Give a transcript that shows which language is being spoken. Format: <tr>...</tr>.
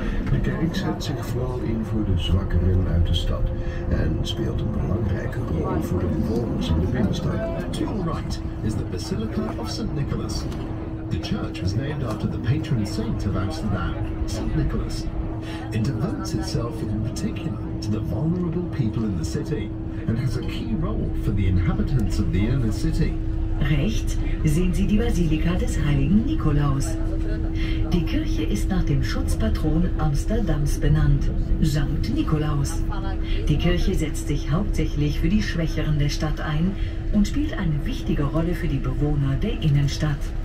<nl>De kerk zet zich vooral in voor de zwakkeren uit de stad en speelt een belangrijke rol voor de bewoners in de binnenstad.</nl> <en>To your right is the Basilica of St. Nicholas. The church was named after the patron saint of Amsterdam, St. Nicholas. It devotes itself in particular to the vulnerable people in the city and has a key role for the inhabitants of the inner city.</en> <de>Rechts sehen Sie die Basilika des Heiligen Nikolaus. Die Kirche ist nach dem Schutzpatron Amsterdams benannt, Sankt Nikolaus. Die Kirche setzt sich hauptsächlich für die Schwächeren der Stadt ein und spielt eine wichtige Rolle für die Bewohner der Innenstadt.</de>